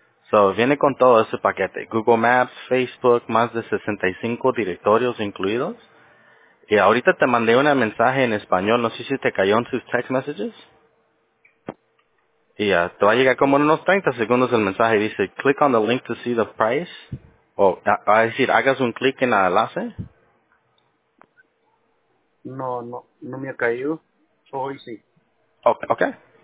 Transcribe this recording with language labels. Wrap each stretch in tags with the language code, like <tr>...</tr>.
<es>So, viene con todo ese paquete. Google Maps, Facebook, más de 65 directorios incluidos. Y ahorita te mandé un mensaje en español. No sé si te cayó en tus</es> <en>text messages.</en> <es>Y te va a llegar como en unos 30 segundos el mensaje.</es> <en>Dice, click on the link to see the price.</en> <es>O, va a decir, hagas un clic en el enlace. No me ha caído. Hoy sí.</es> <en>Okay. Okay.</en>